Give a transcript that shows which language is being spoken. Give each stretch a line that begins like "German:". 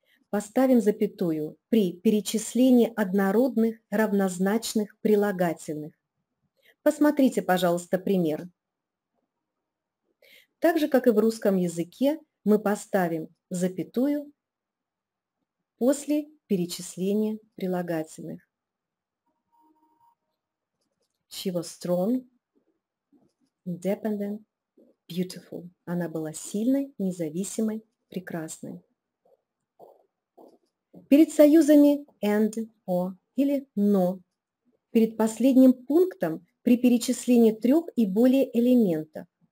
Russian: Поставим запятую при перечислении однородных равнозначных прилагательных. Посмотрите, пожалуйста, пример. Так же, как и в русском языке, мы поставим запятую после перечисления прилагательных.
English: She was strong, independent, beautiful.
Russian: Она была сильной, независимой, прекрасной. Перед союзами and, or или но. Перед последним пунктом при перечислении трех и более элементов.